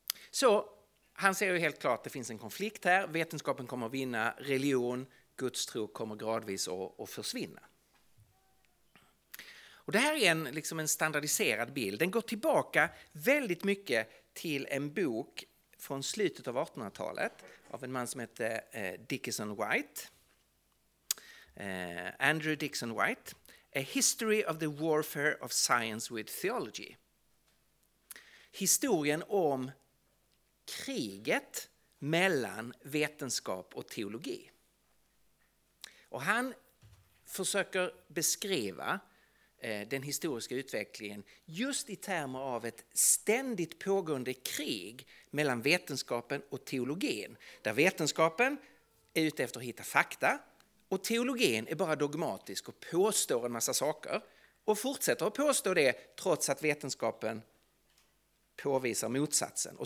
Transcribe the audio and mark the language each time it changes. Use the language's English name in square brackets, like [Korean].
[Swedish] Så han ser ju helt klart att det finns en konflikt här. Vetenskapen kommer att vinna, religion, gudstro kommer gradvis att försvinna. Och det här är en standardiserad bild. Den går tillbaka väldigt mycket till en bok från slutet av 1800-talet av en man som heter Dickinson White. Andrew Dickinson White. [English] A History of the Warfare of Science with Theology. [Swedish] Historien om kriget mellan vetenskap och teologi. Och han försöker beskriva den historiska utvecklingen just i termer av ett ständigt pågående krig mellan vetenskapen och teologin, där vetenskapen är ute efter att hitta fakta och teologin är bara dogmatisk och påstår en massa saker och fortsätter att påstå det trots att vetenskapen påvisar motsatsen.